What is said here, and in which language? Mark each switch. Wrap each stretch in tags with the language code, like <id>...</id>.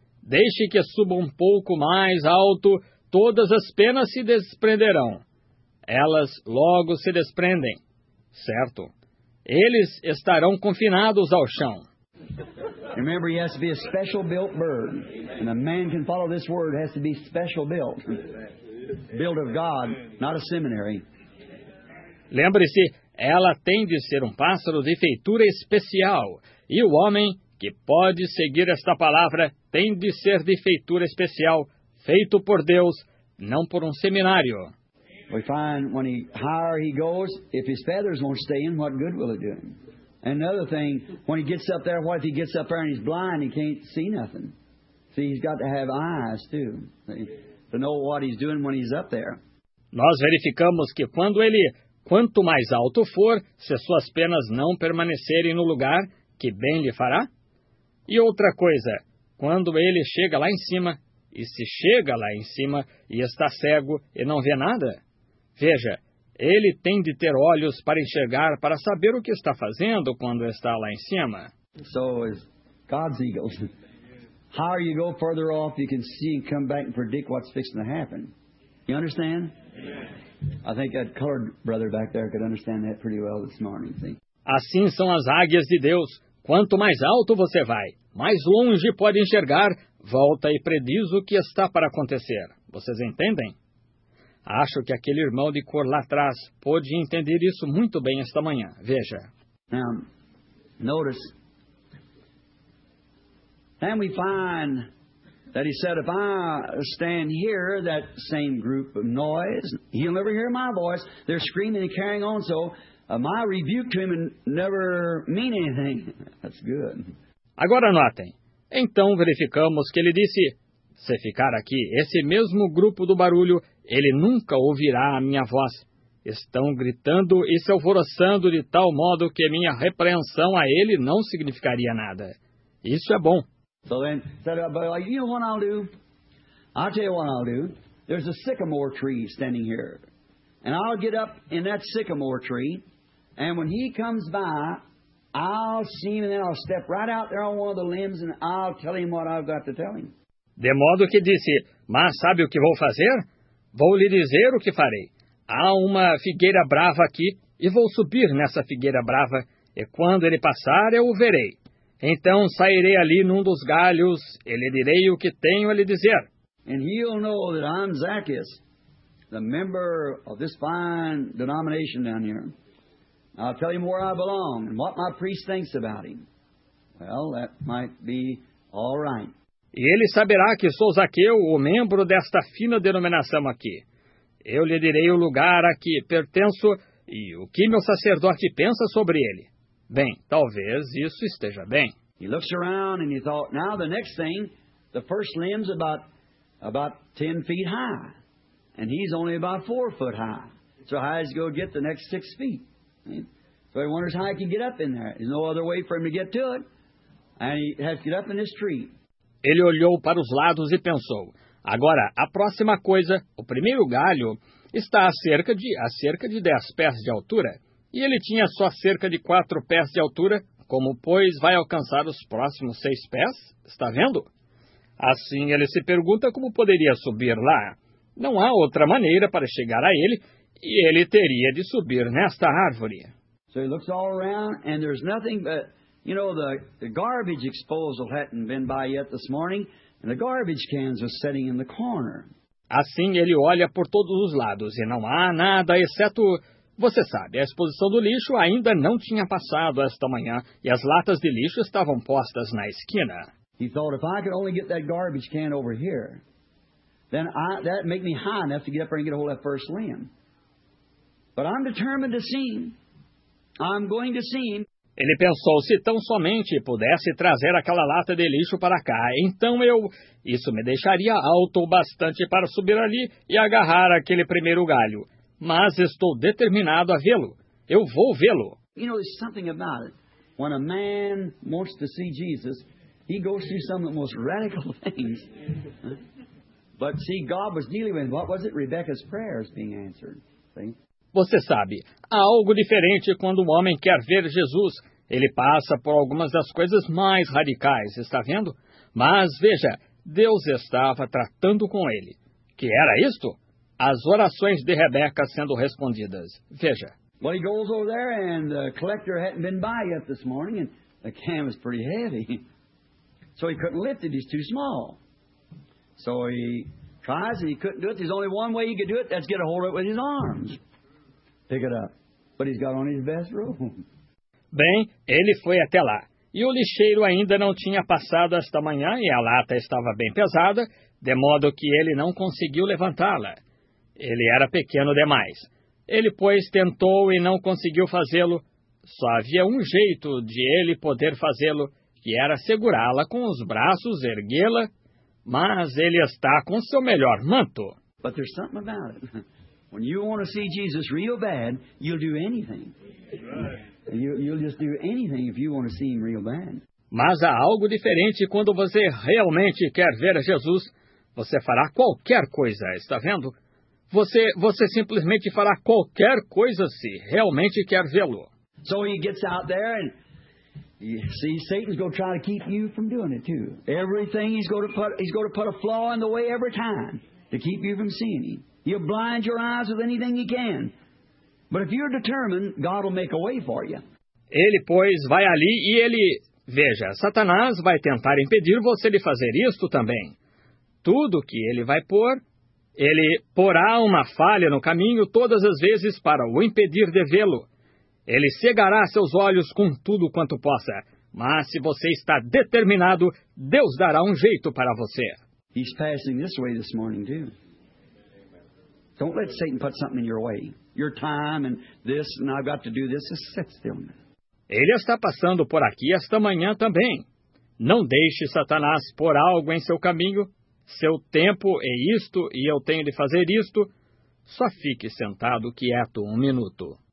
<pt>Deixe que suba um pouco mais alto, todas as penas se desprenderão. Elas logo se desprendem, certo? Eles estarão confinados ao chão.</pt> <en>Remember, he has to be a special built bird. And a man can follow this word, has to be special built. Built of God, not a seminary.</en> <pt>Lembre-se, ela tem de ser um pássaro de feitura especial. E o homem que pode seguir esta palavra tem de ser de feitura especial, feito por Deus, não por seminário.</pt> <en>We find when he higher he goes, if his feathers won't stay in, what good will it do him? Another thing, when he gets up there, what if he gets up there and he's blind, he can't see nothing? See, he's got to have eyes too, to know what he's doing when he's up there.</en> <pt>Nós verificamos que quando ele, quanto mais alto for, se as suas penas não permanecerem no lugar, que bem lhe fará? E outra coisa, quando ele chega lá em cima, e se chega lá em cima e está cego e não vê nada? Veja, ele tem de ter olhos para enxergar, para saber o que está fazendo quando está lá em cima.</pt> <en>So is God's eagles. Higher you go further off, you can see and come back and predict what's fixing to happen. You understand? I think that colored brother back there could understand that pretty well this morning, see?</en> <pt>Assim são as águias de Deus. Quanto mais alto você vai, mais longe pode enxergar, volta e prediz o que está para acontecer. Vocês entendem? Acho que aquele irmão de cor lá atrás pôde entender isso muito bem esta manhã. Veja.</pt> <en>Notice. And we find that he said, if I stand here, that same group of noise, he'll never hear my voice. They're screaming and carrying on, so my rebuke to him and never mean anything. That's good.</en> <pt>Agora notem. Então verificamos que ele disse, se ficar aqui, esse mesmo grupo do barulho, ele nunca ouvirá a minha voz. Estão gritando e se alvoroçando de tal modo que minha repreensão a ele não significaria nada. Isso é bom.</pt> <en>So then, you know what I'll do? I'll tell you what I'll do. There's a sycamore tree standing here. And I'll get up in that sycamore tree. And when he comes by, I'll see him and then I'll step right out there on one of the limbs and I'll tell him what I've got to tell him.</en> <pt>De modo que disse, mas sabe o que vou fazer? Vou lhe dizer o que farei. Há uma figueira brava aqui e vou subir nessa figueira brava. E quando ele passar, eu o verei. Então sairei ali num dos galhos e lhe direi o que tenho a lhe dizer.</pt> <en>And he'll know that I'm Zacchaeus, the member of this fine denomination down here. I'll tell him where I belong and what my priest thinks about him. Well, that might be all right.</en> <pt>E ele saberá que sou Zaqueu, o membro desta fina denominação aqui. Eu lhe direi o lugar a que pertenço e o que meu sacerdote pensa sobre ele. Bem, talvez isso esteja bem.</pt> <en>He looks around and he thought, now the next thing, the first limb's about 10 feet high. And he's only about 4 foot high. So how is he going to get the next 6 feet? So he wonders how he can get up in there. There's no other way for him to get to it. And he has to get up in this tree.</en> <pt>Ele olhou para os lados e pensou, agora, a próxima coisa, o primeiro galho, está a cerca de 10 pés de altura, e ele tinha só cerca de 4 pés de altura, como, pois, vai alcançar os próximos 6 pés? Está vendo? Assim, ele se pergunta como poderia subir lá. Não há outra maneira para chegar a ele, e ele teria de subir nesta árvore.</pt> <en>So he looks all around, and there's nothing but... You know, the garbage disposal hadn't been by yet this morning, and the garbage cans were sitting in the corner.</en> <pt>Assim ele olha por todos os lados, e não há nada, exceto, você sabe, a exposição do lixo ainda não tinha passado esta manhã, e as latas de lixo estavam postas na esquina.</pt> <en>He thought, if I could only get that garbage can over here, then that'd make me high enough to get up there and get a hold of that first limb. But I'm determined to see him. I'm going to see him.</en> <pt>Ele pensou, se tão somente pudesse trazer aquela lata de lixo para cá, então isso me deixaria alto o bastante para subir ali e agarrar aquele primeiro galho. Mas estou determinado a vê-lo. Eu vou vê-lo.</pt> <en>You know, there's something about it. When a man wants to see Jesus, he goes through some of the most radical things. But see, God was dealing with, what was it? Rebecca's prayers being answered. See?</en> <pt>Você sabe, há algo diferente quando um homem quer ver Jesus. Ele passa por algumas das coisas mais radicais, está vendo? Mas, veja, Deus estava tratando com ele. Que era isto? As orações de Rebeca sendo respondidas. Veja.</pt> <en>Well, he goes over there and the collector hadn't been by yet this morning and the can was pretty heavy. So he couldn't lift it, he's too small. So he tries and he couldn't do it. There's only one way he could do it, that's get a hold of it with his arms. Pick it up. But he's got on his best robe.</en> <pt>Bem, ele foi até lá. E o lixeiro ainda não tinha passado esta manhã e a lata estava bem pesada, de modo que ele não conseguiu levantá-la. Ele era pequeno demais. Ele, pois, tentou e não conseguiu fazê-lo. Só havia um jeito de ele poder fazê-lo, que era segurá-la com os braços, erguê-la. Mas ele está com seu melhor manto.</pt> <en>But there's something about it. When you want to see Jesus real bad, you'll do anything. You'll just do anything if you want to see him real bad.</en> <pt>Mas há algo diferente quando você realmente quer ver a Jesus. Você fará qualquer coisa, está vendo? Você simplesmente fará qualquer coisa se realmente quer vê-lo.</pt> <en>So he gets out there and you see Satan's going to try to keep you from doing it too. Everything he's going to put a flaw in the way every time to keep you from seeing him. He'll blind your eyes with anything he can. But if you're determined, God will make a way for you.</en> <pt>Ele, pois, vai ali e ele... Veja, Satanás vai tentar impedir você de fazer isto também. Tudo que ele vai pôr, Ele porá uma falha no caminho todas as vezes para o impedir de vê-lo. Ele cegará seus olhos com tudo quanto possa. Mas se você está determinado, Deus dará um jeito para você.</pt> <en>He's passing this way this morning, too. Don't let Satan put something in your way. Your time and this, and I've got to do this. It's set still.</en> <pt>Ele está passando por aqui esta manhã também. Não deixe Satanás pôr algo em seu caminho. Seu tempo é isto e eu tenho de fazer isto. Só fique sentado quieto um minuto.</pt>